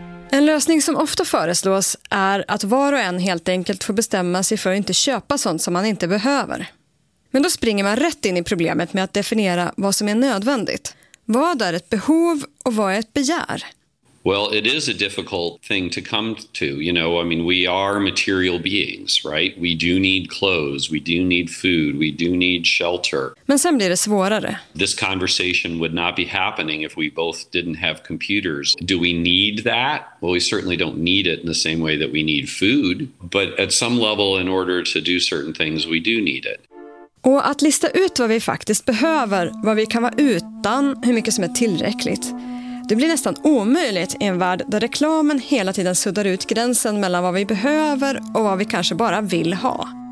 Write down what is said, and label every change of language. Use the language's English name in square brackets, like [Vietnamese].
[Swedish] En lösning som ofta föreslås är att var och en helt enkelt får bestämma sig för att inte köpa sånt som man inte behöver. Men då springer man rätt in i problemet med att definiera vad som är nödvändigt. Vad är ett behov och vad är ett begär? [English] Well, it is a difficult thing to come to. You know, I mean, we are material beings, right? We do need clothes, we do need food, we do need shelter. [Swedish] Men sen blir det svårare. [English] This conversation would not be happening if we both didn't have computers. Do we need that? Well, we certainly don't need it in the same way that we need food. But at some level, in order to do certain things, we do need it. [Swedish] Och att lista ut vad vi faktiskt behöver, vad vi kan vara utan, hur mycket som är tillräckligt. Det blir nästan omöjligt i en värld där reklamen hela tiden suddar ut gränsen mellan vad vi behöver och vad vi kanske bara vill ha.